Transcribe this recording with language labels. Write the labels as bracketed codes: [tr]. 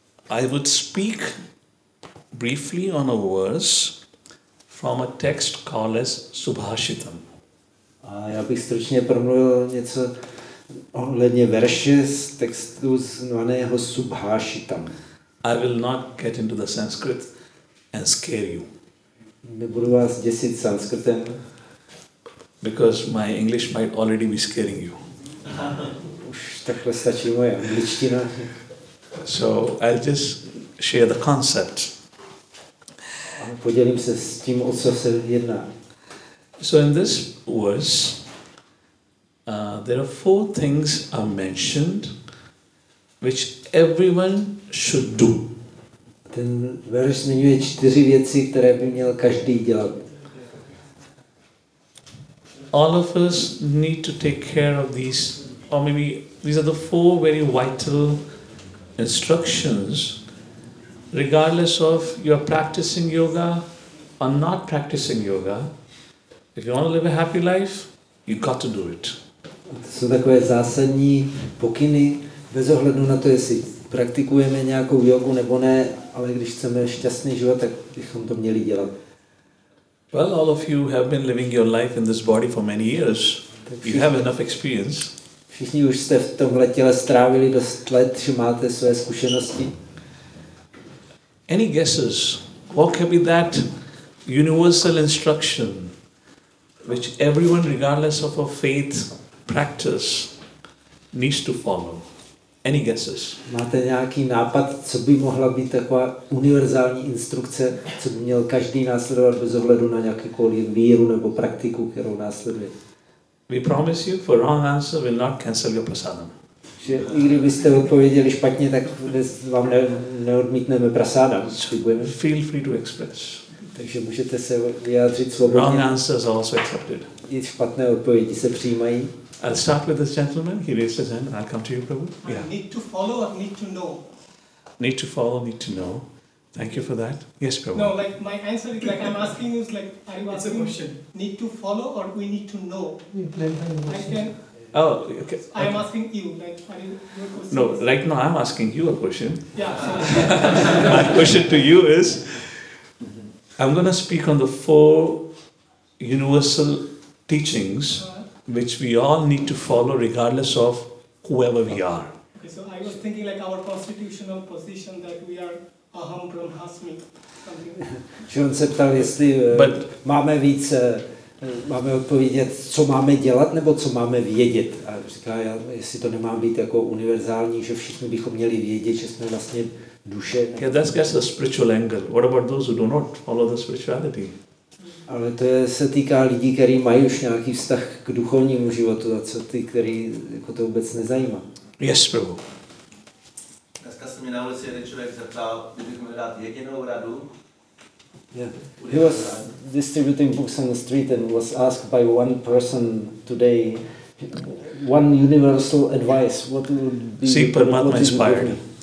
[en] I would speak briefly on a verse from a text called as Subhashitam. [cs] A já bych stručně promluvil něco ohledně verše z textu zvaného Subhashitam. [en] I will not get into the Sanskrit and scare you. [cs] Nebudu vás děsit sanskritem. [en] Because my English might already be scaring you. [cs] Už takhle stačí moje angličtina. [en] So I'll just share the concept. [cs] Podělím se s tím, o co se jedná. [en] So in this verse, there are four things are mentioned which everyone should do. [cs] Ten verš zmiňuje čtyři věci, které by měl každý dělat. [en] All of us need to take care of these, or maybe these are the four very vital instructions. Regardless of you are practicing yoga or not practicing yoga, if you want to live a happy life, you got to do it. [cs] To jsou takové zásadní pokyny, bez ohledu na to, jestli praktikujeme nějakou jogu nebo ne, ale když chceme šťastný život, tak bychom to měli dělat. [en] Well, all of you have been living your life in this body for many years. You have enough experience. [cs] Všichni už jste v tomhle těle strávili dost let, že máte své zkušenosti. [en] Any guesses? What could be that universal instruction which everyone, regardless of our faith, practice, needs to follow? Any guesses? [cs] Máte nějaký nápad, co by mohla být taková univerzální instrukce, co by měl každý následovat bez ohledu na jakýkoliv víru nebo praktiku, kterou následuje? [en] We promise you, for wrong answer will not cancel your prasadam. [cs] Že i kdybyste odpověděli špatně, tak vám neodmítneme prasada. [en] Feel free to express. [cs] Takže můžete se vyjádřit svobodně. [en] Wrong answer is also accepted. [cs] I špatné odpovědi se přijímají. [en] I'll start with this gentleman. He raised his hand. I'll come to you, Prabhu. Yeah. I need to follow or need to know? Need to follow, need to know. Thank you for that. Yes, Prabhu. No, like my answer is like I'm asking you, it's a question. Need to follow or we need to know? Okay. I'm asking you, like, your question. No, right now I'm asking you a question. Yeah. My question to you is, I'm going to speak on the four universal teachings which we all need to follow regardless of whoever we are. Okay, so I was thinking like our constitutional position that we are [sa] aham brahmasmi. [cs] John se ptal, jestli máme více, máme odpovědět, co máme dělat nebo co máme vědět. A říká, jestli to nemá být jako univerzální, že všichni bychom měli vědět, že jsme vlastně duše. [en] Yeah, that's just a spiritual angle. What about those who do not follow the spirituality? [cs] Ale to je, se týká lidí, kteří mají už nějaký vztah k duchovnímu životu, a co ty, kteří jako to vůbec nezajímá. [en] Yes, Prabhu. [cs] Dneska se mi na ulici jeden člověk zeptal, kdybychom měli dát jedinou radu. [en] Yeah. He was distributing books on the street and was asked by one person today, one universal advice, what would be... See, Paramatma inspired him.